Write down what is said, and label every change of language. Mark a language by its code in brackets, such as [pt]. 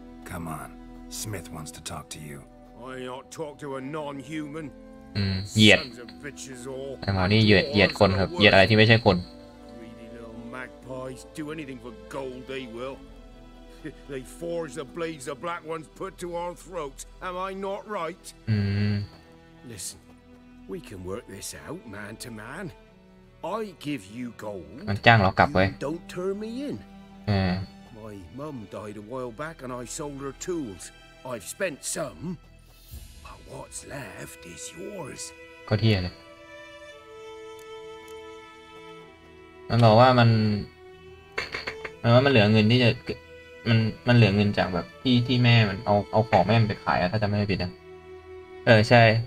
[en] Come on, Smith wants to talk to you. I not talk to a non-human. [th] เหยียดไอ้หมอนี่เหยียดคนครับเหยียดอะไรที่ไม่ใช่คน [en] Greedy little magpies do anything for gold they will. They forge the blades the black ones put to our throats. Am I not right? Listen, we can work this out, man to man. I give you gold. [th] มันจ้างเรากลับไป [en] Don't turn me in. My mum died a while back and I sold her tools. I've spent some, but what's left is yours. [th] ก็เที่ยเลยมันบอกว่ามันเหลือเงินที่จะมันเหลือเงินจากแบบที่แม่มันเอาของแม่มันไปขายอะถ้าจะไม่ผิดนะใช่